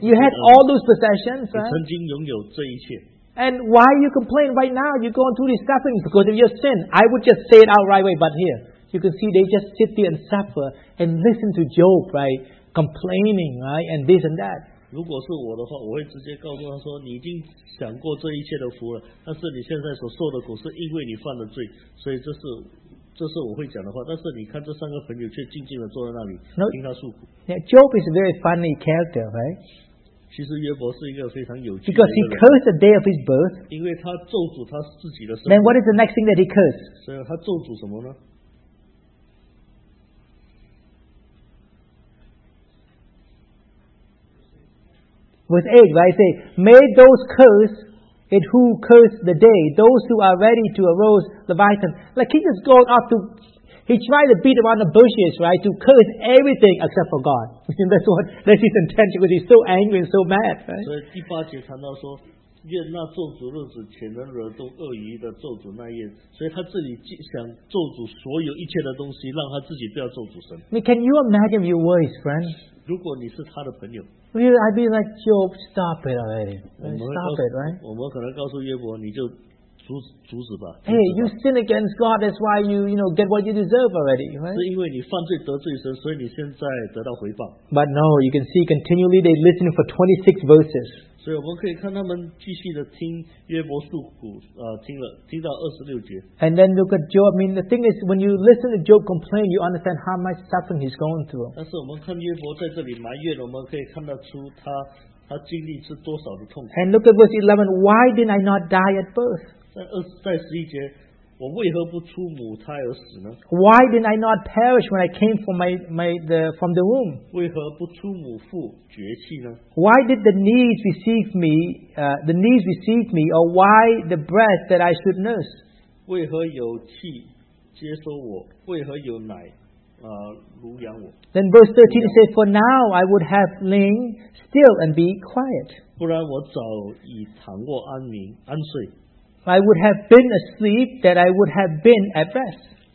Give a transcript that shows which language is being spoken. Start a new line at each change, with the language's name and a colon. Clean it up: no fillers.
English: You had all those possessions.
Chinese: 你曾经拥有这一切。
English: And why you complain right now? You're going through these sufferings because of your sin. I would just say it out right away. But here, you can see they just sit there and suffer and listen to Job, right? Complaining, right? And this and that.
Chinese: 如果是我的话，我会直接告诉他说，你已经享过这一切的福了，但是你现在所受的苦是因为你犯了罪，所以这是我会讲的话。但是你看这三个朋友却静静的坐在那里听他诉苦。
English: Now, Job is a very funny character, right?
Chinese: 其实约伯是一个非常有趣的
English: Because he cursed the day of his birth.
Chinese: 因为他咒诅他自己的生命。
English: Then what is the next thing that he cursed?
Chinese: 所以他咒诅什么呢？
English: With eight, right? Say, may those curse it who curse the day, those who are ready to arouse Leviathan. Like he just goes off to, he tried to beat around the bushes, right, to curse everything except for God. That's his intention, because he's so angry and so mad, right?
Chinese: 所以第八节谈到说，愿那咒诅日子且能惹动鳄鱼的咒诅那夜，所以他自己想咒诅所有一切的东西，让他自己不要咒诅神。
English: I mean, can you imagine your words, friend?
Chinese: 如果你是他的朋友。
English: Really, I'd be like, Job, stop it already. Stop it, right?
Chinese: 我们可能告诉约伯，你就阻止吧。
English: Hey, you sin against God, that's why you get what you deserve already, right?
Chinese: 是因为你犯罪得罪神，所以你现在得到回报。
English: But no, you can see continually they listen for 26 verses.
Chinese: 所以我们可以看他们继续的听约伯诉苦，听到26节。
English: And then look at Job. I mean, the thing is, when you listen to Job complain, you understand how much suffering he's going through.
Chinese: 但是我们看约伯在这里埋怨，我们可以看得出他经历是多少的痛苦。
English: And look at verse 11. Why did I not die at birth?
Chinese: 在十一节，我为何不出母胎而死呢
English: ？Why did I not perish when I came from from the womb？
Chinese: 为何不出母腹绝气呢
English: ？Why did the knees receive me？ The knees received me， or why the breast that I should nurse？
Chinese: 为何有气接收我？为何有奶濡养我
English: ？Then verse 13 says， "For now I would have lain still and be quiet."
Chinese: 不然我早已躺卧安宁安睡。
English: I would have been asleep, that I would have been at rest.